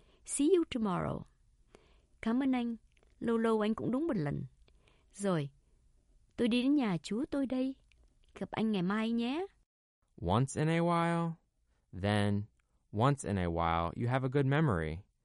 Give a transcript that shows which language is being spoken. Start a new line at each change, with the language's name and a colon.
English: See you tomorrow.
Vietnamese: Cảm ơn anh. Lâu lâu anh cũng đúng một lần. Rồi, tôi đi đến nhà chú tôi đây. Gặp anh ngày mai nhé.
English: Once in a while? Then, once in a while, you have a good memory.